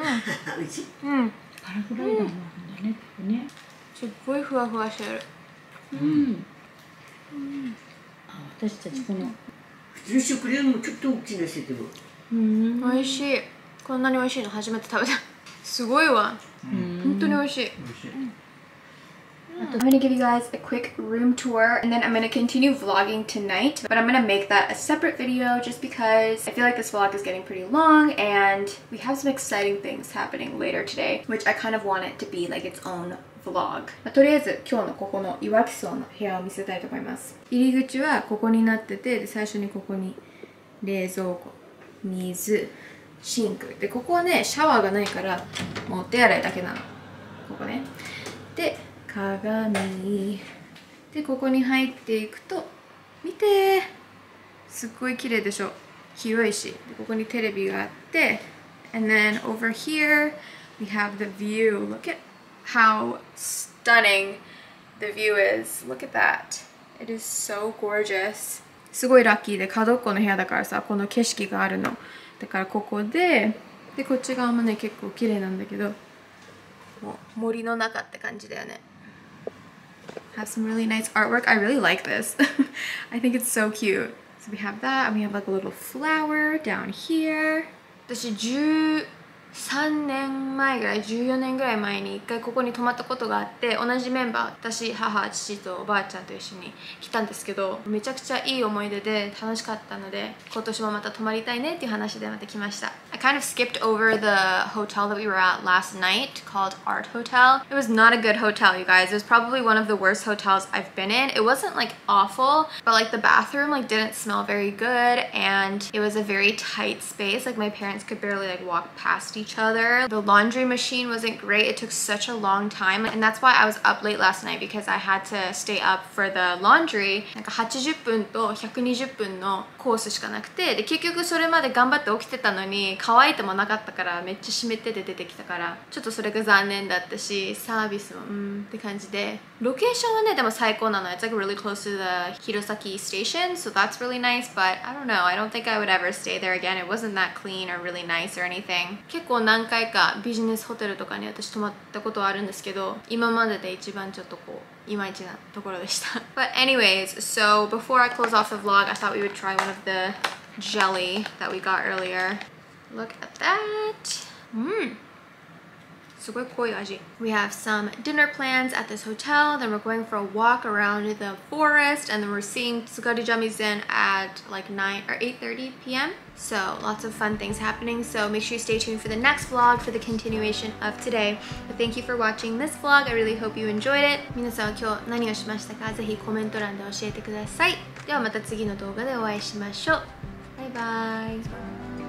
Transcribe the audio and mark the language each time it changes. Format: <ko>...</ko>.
<ja>パラグライダーもあるんだね、ここね。すっごいふわふわしてる。うん、うん、あ、私たちこの、うん、普通シュークリームもちょっと大きいなしてても、うん、おいしい。こんなにおいしいの初めて食べた。すごいわ、ほんとにおいしい。</ja> <en>I'm gonna give you guys a quick room tour and then I'm gonna continue vlogging tonight. But I'm gonna make that a separate video just because I feel like this vlog is getting pretty long and we have some exciting things happening later today, which I kind of want it to be like its own vlog.</en> <ja>とりあえず今日のここの Iwaki-so の部屋を見せたいと思います。入り口はここになってて、最初にここに冷蔵庫、水、シンク。で、ここはね、シャワーがないからもう手洗いだけなの。ここね。で、鏡で、ここに入っていくと見て、すっごい綺麗でしょ、広いし。でここにテレビがあって、</ja> <en>and then over here we have the view. Look at how stunning the view is. Look at that, it is so gorgeous.</en> <ja>すごいラッキーで、角っこの部屋だからさ、この景色があるの。だからここで、でこっち側もね結構綺麗なんだけど、もう森の中って感じだよね。</ja> <en>Have some really nice artwork. I really like this. I think it's so cute. So we have that, and we have like a little flower down here.</en> <ja>私13年前ぐらい、14年ぐらい前に一回ここに泊まったことがあって、同じメンバー、私、母、父とおばあちゃんと一緒に来たんですけど、めちゃくちゃいい思い出で楽しかったので、今年もまた泊まりたいねっていう話でまた来ました。</ja> <en>I kind of skipped over the hotel that we were at last night called Art Hotel. It was not a good hotel, you guys. It was probably one of the worst hotels I've been in. It wasn't like awful, but like the bathroom like didn't smell very good and it was a very tight space. Like my parents could barely like walk past each other. The laundry machine wasn't great. It took such a long time. And that's why I was up late last night because I had to stay up for the laundry.</en> <ja>なんか80分と120分のコースしかなくて、で結局それまで頑張って起きてたのに、乾いてもなかったからめっちゃ湿ってて出てきたからちょっとそれが残念だったし、サービスもうんって感じで、ロケーションはねでも最高なの。</ja> <en>It's like really close to the Hirosaki station, so that's really nice, but I don't know, I don't think I would ever stay there again. It wasn't that clean or really nice or anything.</en> <ja>結構何回かビジネスホテルとかに私泊まったことはあるんですけど、今までで一番ちょっとこう</ja> <en>But anyways, so before I close off the vlog, I thought we would try one of the jelly that we got earlier. Look at that. Mmm.</en> <ja>すごい濃い味。</ja> <en>We have some dinner plans at this hotel, then we're going for a walk around the forest, and then we're seeing Tsukarijami-zen at like 9 or 8:30 p.m. So lots of fun things happening. So make sure you stay tuned for the next vlog for the continuation of today. But thank you for watching this vlog. I really hope you enjoyed it.</en> <ja>皆さんは今日何をしましたか？ぜひコメント欄で教えてください。ではまた次の動画でお会いしましょう。バイバイ。</ja>